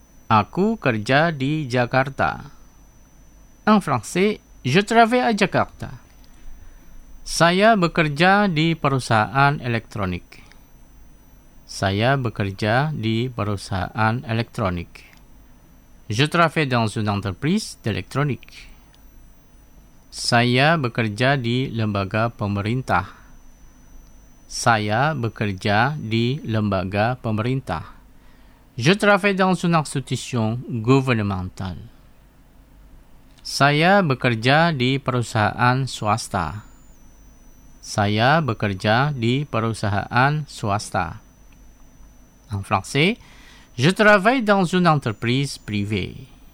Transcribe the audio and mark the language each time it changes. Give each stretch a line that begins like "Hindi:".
Indonesian: Aku kerja di Jakarta.
French: En français, je travaille à Jakarta.
Indonesian: Saya bekerja di perusahaan elektronik. Saya bekerja di perusahaan elektronik.
French: Je travaille dans une entreprise d'électronique.
Indonesian: Saya bekerja di lembaga pemerintah. Saya bekerja di lembaga pemerintah.
French: Je travaille dans une institution gouvernementale.
Indonesian: Saya bekerja di perusahaan swasta. Saya bekerja di perusahaan swasta.
French: En français, je travaille dans une entreprise privée.